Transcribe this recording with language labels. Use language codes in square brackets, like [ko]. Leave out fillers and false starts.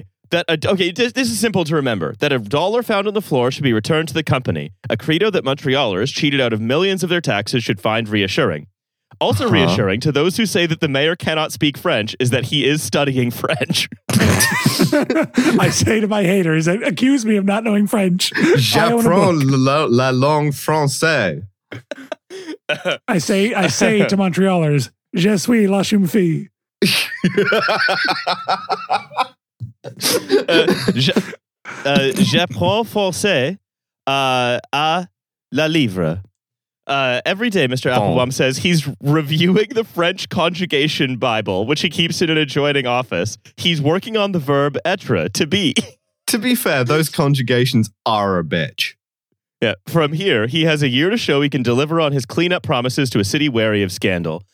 [en] This is simple to remember, that a dollar found on the floor should be returned to the company, a credo that Montrealers cheated out of millions of their taxes should find reassuring. Also reassuring to those who say that the mayor cannot speak French is that he is studying French. I say to my haters, accuse me of not knowing French. [fr] J'apprends la langue française. [en] I say to Montrealers, [fr] je suis la chum fille. J'apprends français à la livre. [en] Every day, Mr. Applebaum says he's reviewing the French conjugation Bible, which he keeps in an adjoining office. He's working on the verb être, to be. To be fair, those conjugations are a bitch. Yeah. From here, he has a year to show he can deliver on his cleanup promises to a city wary of scandal.